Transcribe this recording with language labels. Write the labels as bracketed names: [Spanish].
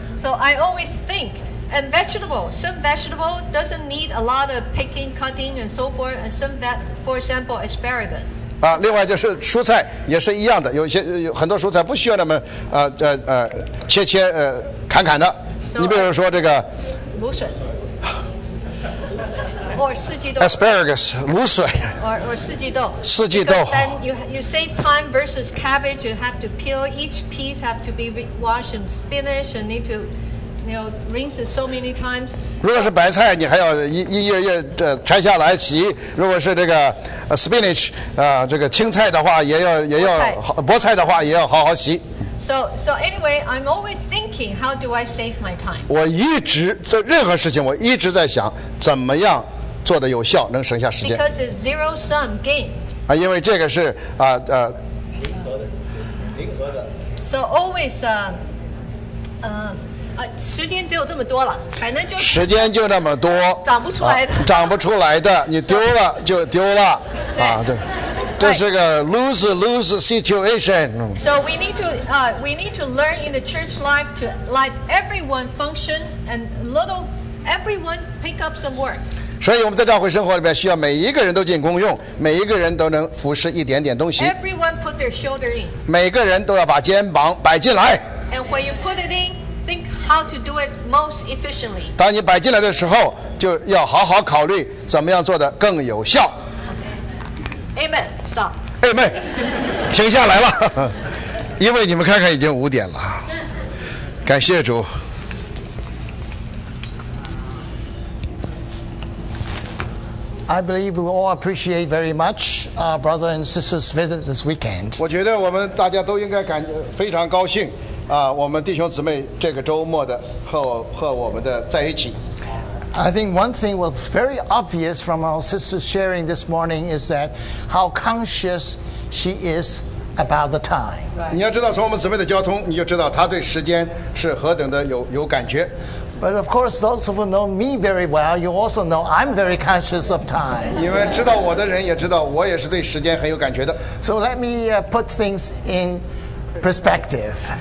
[English] So I always think, and vegetable, some vegetable doesn't need a lot of picking, cutting, and so forth. And some that, for example, asparagus. [Chinese] 啊，另外就是蔬菜也是一样的，有些有很多蔬菜不需要那么切切砍砍的。 So, 你比如说这个。芦笋。 [English] Asparagus, 芦笋 [Chinese] or 四季豆。四季豆。 [English] Then you save time versus cabbage. You have to peel each piece, have to be washed and spinach, and need to, you know, rinse it so many times. [Chinese] 如果是白菜，你还要一叶叶拆下来洗；如果是这个 spinach， 这个青菜的话，也要菠菜的话，也要好好洗。 [English] So anyway, I'm always thinking, how do I save my time? [Chinese] 我一直做任何事情，我一直在想怎么样做得有效，能省下时间。 [English] Because it's zero sum game. [Chinese] 啊，因为这个是零和的。 [English] So always [Chinese] 时间就这么多了，反正就是、时间就那么多，长不出来的，长不出来的，你丢了就丢了，啊，对。这是个 [English] lose situation. So we need to learn in the church life to let everyone function and little everyone pick up some work. [Chinese] 所以我们在教会生活里面需要每一个人都尽功用，每一个人都能服侍一点点东西。 [English] Everyone put their shoulder in. [Chinese] 每个人都要把肩膀摆进来。 [English] And when you put it in, think how to do it most efficiently. [Chinese] 当你摆进来的时候，就要好好考虑怎么样做得更有效。 [English] Amen. Stop. Amen. [Chinese] 停下来了，因为你们看看已经五点了。感谢主。 [English] I believe we all appreciate very much our brother and sister's visit this weekend. [Chinese] 我觉得我们大家都应该感觉非常高兴啊，我们弟兄姊妹这个周末的和我们的在一起。 [English] I think one thing was very obvious from our sister's sharing this morning is that how conscious she is about the time. [Chinese] 你要知道从我们姊妹的交通，你就知道她对时间是何等的有感觉。 [English] But of course, those who know me very well, you also know I'm very conscious of time. [Chinese] 你们知道我的人也知道我也是对时间很有感觉的。 [English] So let me put things in perspective.